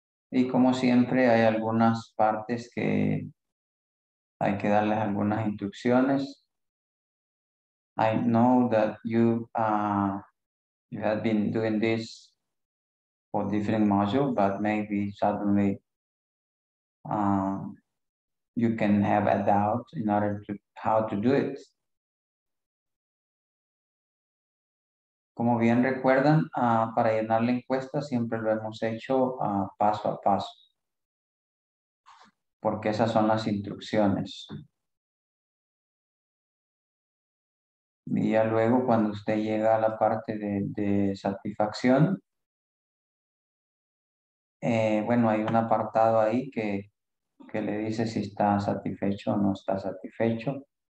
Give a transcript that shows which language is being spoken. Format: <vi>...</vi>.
<es>Y como siempre hay algunas partes que hay que darles algunas instrucciones.</es> <en>I know that you have been doing this for different modules, but maybe suddenly you can have a doubt in order to how to do it.</en> <es>Como bien recuerdan, para llenar la encuesta siempre lo hemos hecho paso a paso, porque esas son las instrucciones. Y ya luego, cuando usted llega a la parte de satisfacción, bueno, hay un apartado ahí que le dice si está satisfecho o no está satisfecho.</es>